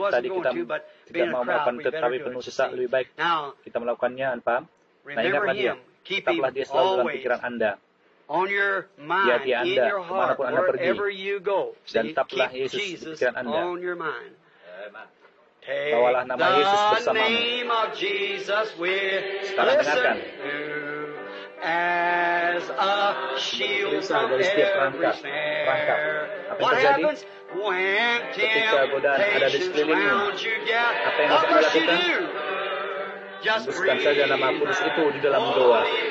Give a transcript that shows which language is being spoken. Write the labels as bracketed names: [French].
[Indonesian] Tadi kita tidak mau melakukan tetapi penuh sesak, lebih baik kita melakukannya, paham? Nah, ingatlah Dia, tetaplah Dia selalu dalam pikiran Anda. [English] on your mind, [Indonesian] di hati Anda, [English] in your heart, [Indonesian] Anda pergi, [English] wherever you go. [Indonesian] Dan tetaplah Yesus di pikiran Anda. [English] On your mind. [Indonesian] Bawalah nama Yesus bersamamu. [English] The name of Jesus will listen as a shield from every snare. What happens when temptations round you get? [Indonesian] Apa yang harus kita lakukan? Teruskan saja nama Kudus itu di dalam doa.